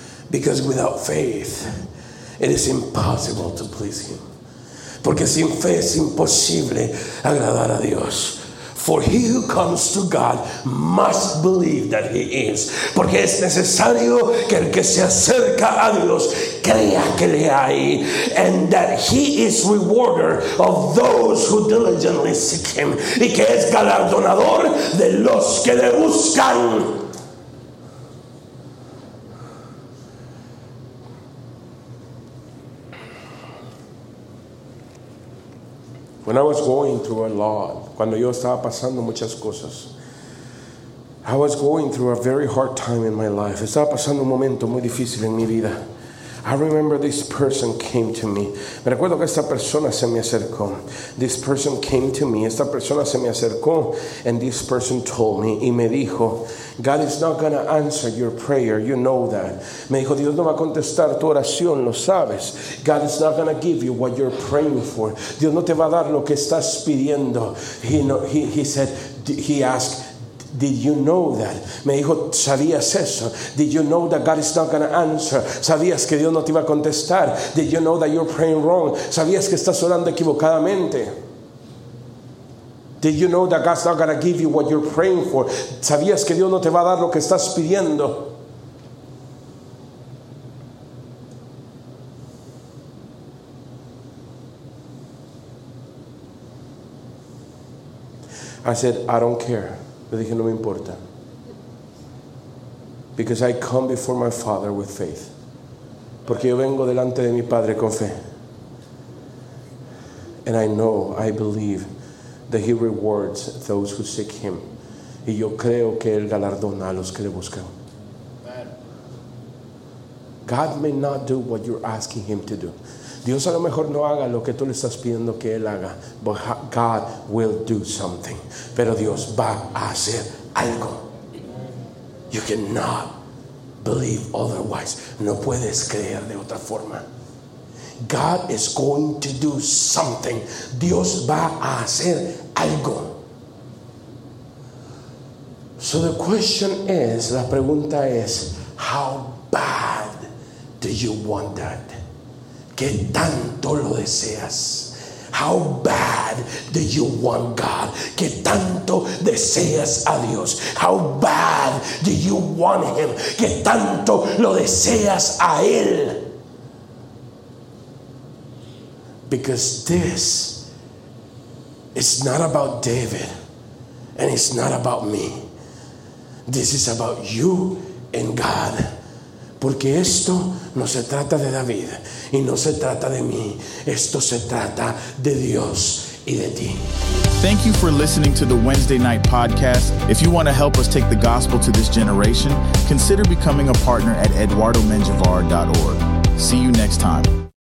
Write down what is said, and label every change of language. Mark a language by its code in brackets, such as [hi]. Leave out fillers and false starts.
[en] Because without faith, it is impossible to please Him. [es] Porque sin fe es imposible agradar a Dios. [en] For he who comes to God must believe that He is. [es] Porque es necesario que el que se acerca a Dios crea que le hay. [en] And that He is rewarder of those who diligently seek Him. [es] Y que es galardonador de los que le buscan. [en] When I was going through a lot, [es] cuando yo estaba pasando muchas cosas, [en] I was going through a very hard time in my life. [es] Estaba pasando un momento muy difícil en mi vida. [en] I remember this person came to me. [es] Me recuerdo que esta persona se me acercó. [en] This person came to me. [es] Esta persona se me acercó. [en] And this person told me. [es] Y me dijo, [en] God is not going to answer your prayer. You know that. [es] Me dijo, Dios no va a contestar tu oración. Lo sabes. [en] God is not going to give you what you're praying for. [es] Dios no te va a dar lo que estás pidiendo. [en] He asked, Did you know that? [es] Me dijo, ¿sabías eso? [en] Did you know that God is not going to answer? [es] ¿Sabías que Dios no te iba a contestar? [en] Did you know that you're praying wrong? [es] ¿Sabías que estás orando equivocadamente? [en] Did you know that God's not going to give you what you're praying for? [es] ¿Sabías que Dios no te va a dar lo que estás pidiendo? [en] I said, I don't care. [es] Le dije, no me importa. [en] Because I come before my Father with faith. [es] Porque yo vengo delante de mi Padre con fe. [en] And I know, I believe that He rewards those who seek Him. [es] Y yo creo que Él galardona a los que le buscan. [en] God may not do what you're asking Him to do. [es] Dios a lo mejor no haga lo que tú le estás pidiendo que Él haga. [en] But God will do something. [es] Pero Dios va a hacer algo. [en] You cannot believe otherwise. [es] No puedes creer de otra forma. [en] God is going to do something. [es] Dios va a hacer algo. [en] So the question is, [es] la pregunta es, [en] how bad do you want that? [es] ¿Qué tanto lo deseas? [en] How bad do you want God? [es] ¿Qué tanto deseas a Dios? [en] How bad do you want Him? [es] ¿Qué tanto lo deseas a Él? [en] Because this is not about David and it's not about me. This is about you and God. [es] Porque esto no se trata de David y no se trata de mí. Esto se trata de Dios y de ti. [en] Thank you for listening to the Wednesday Night Podcast. If you want to help us take the gospel to this generation, consider becoming a partner at eduardomenjivar.org. See you next time.